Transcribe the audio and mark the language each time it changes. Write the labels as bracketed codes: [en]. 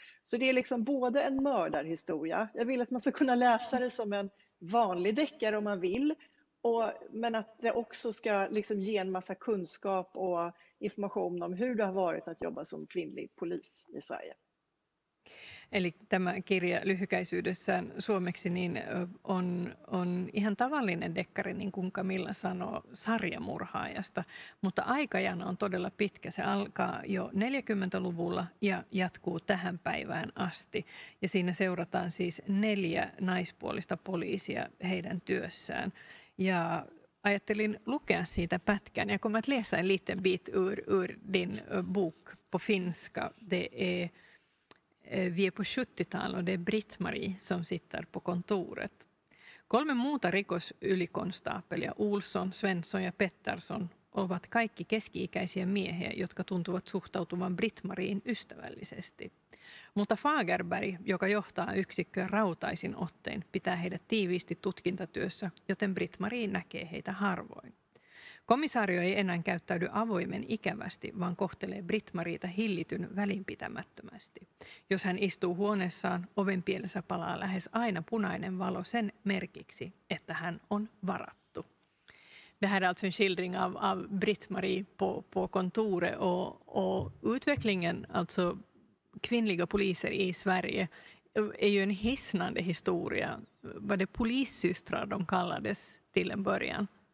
[sv] Så det är liksom både en mördarhistoria. Jag vill att man ska kunna läsa det som en vanlig deckare om man vill. Men att det också ska liksom ge en massa kunskap och information om hur det har varit att jobba som kvinnlig polis i Sverige. [fi] Eli tämä kirja lyhykäisyydessään suomeksi niin on ihan tavallinen dekkari, niin kuin Camilla sanoo, sarjamurhaajasta. Mutta aikajana on todella pitkä. Se alkaa jo 40-luvulla ja jatkuu tähän päivään asti. Ja siinä seurataan siis 4 naispuolista poliisia heidän työssään. Ja ajattelin lukea siitä pätkän. Ja kun mä [sv] läsin en liten bit ur din bok på finska, det är... Vi är på 70-talet och det är Britt-Marie som sitter på kontoret. [fi] 3 muuta rikosylikonstaapelia, Olsson, Svensson ja Pettersson, ovat kaikki keski-ikäisiä miehiä, jotka tuntuvat suhtautuvan Britt-Mariin ystävällisesti. Mutta Fagerberg, joka johtaa yksikköä rautaisin ottein, pitää heidät tiiviisti tutkintatyössä, joten Britt-Marie näkee heitä harvoin. Komisario ei enää käyttäydy avoimen ikävästi, vaan kohtelee Britt-Mariita hillityn välinpitämättömästi. Jos hän istuu huoneessaan, oven pielessä palaa lähes aina punainen valo sen merkiksi, että hän on varattu. [sv] Det här är alltså en skildring av Britt-Marie på kontoret och utvecklingen, alltså kvinnliga poliser i Sverige, är ju en hisnande historia. Var det polissystrar de kallades till en början?